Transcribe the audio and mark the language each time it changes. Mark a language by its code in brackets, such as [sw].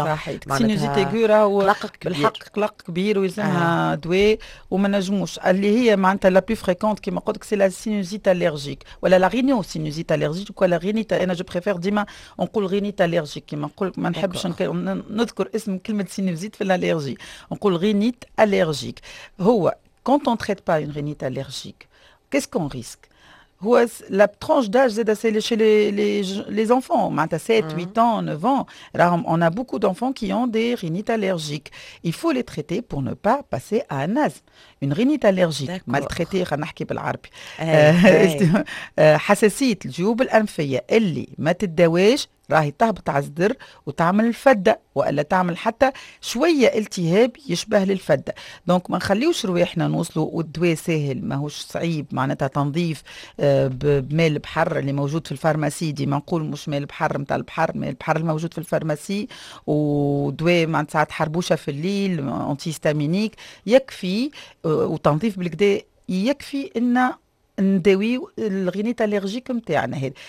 [ar] صحيح، سينوزيت ايغورا هو بالحق قلق كبير ويلزمها دواء، وما نجموش اللي هي معناتها لا بلو فريكونت كيما قلت لك سي لا سينوزيت اليرجيك ولا لا رينو سينوزيت اليرجيك ولا رينيت. انا جو بريفير ديما نقول رينيت اليرجيك، كيما نقول ما نحبش نذكر اسم كلمه سينوزيت في الاليرجي، نقول رينيت allergique. [fr] Hoa, quand on ne traite pas une rhinite allergique, qu'est-ce qu'on risque? Hoa, la tranche d'âge, c'est chez les enfants, 7, 8 ans, 9 ans. Là, on a beaucoup d'enfants qui ont des rhinites allergiques. Il faut les traiter pour ne pas passer à un asthme. Une rhinite allergique, maltraitée, je vais vous parler en arabe. [ar] حساسيه الجيوب الانفيه اللي ما تداويش راهي تهبط على الصدر وتعمل الفده، والا تعمل حتى شويه التهاب يشبه للفده. دونك ما نخليوش رواحنا نوصلوا، والدواء ساهل ماهوش صعيب معناتها، تنظيف بماء البحر اللي موجود في الفارماسي، ديما نقول مش ماء البحر نتاع البحر، ماء البحر الموجود في الفارماسي، ودواء معناتها ساعات حربوشه في الليل انتي هيستامينيك يكفي، وتنظيف بالكدا يكفي ان نداوي الغينيت اليرجيك نتاعنا هذا.